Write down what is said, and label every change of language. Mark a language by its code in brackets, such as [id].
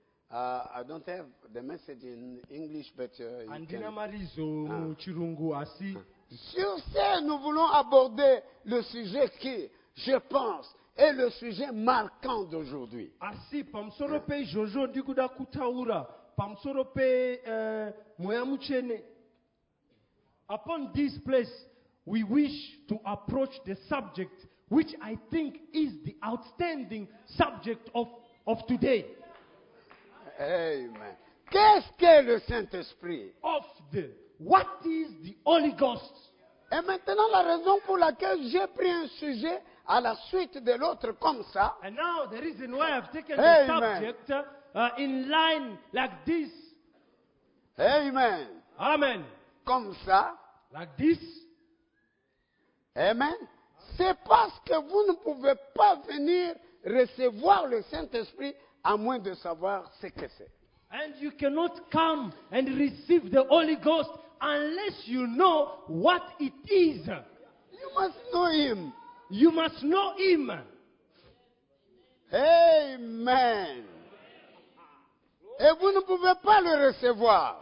[en] I don't have the message in English, but [sn] Andina marizo mu chirungu asi. [fr] Sur ce, nous voulons aborder le sujet qui, je pense, est le sujet marquant d'aujourd'hui. [sn] Asi pamsoro pe jojo ndi kuda kutaura pamsoro pe moya muchene. [en] Upon this place, we wish to approach the subject which I think is the outstanding subject of today. [fr] Amen. Qu'est-ce qu'est le Saint-Esprit? [en] Of the, what is the Holy Ghost? [fr] Et maintenant, la raison pour laquelle j'ai pris un sujet à la suite de l'autre comme ça. [en] And now, the reason why I've taken the subject in line like this. Amen. Amen. [fr] Comme ça. [en] Like this. Amen. [fr] C'est parce que vous ne pouvez pas venir recevoir le Saint-Esprit à moins de savoir ce que c'est. [en] And you cannot come and receive the Holy Ghost unless you know what it is. You must know him. You must know him. [fr] Amen. Et vous ne pouvez pas le recevoir.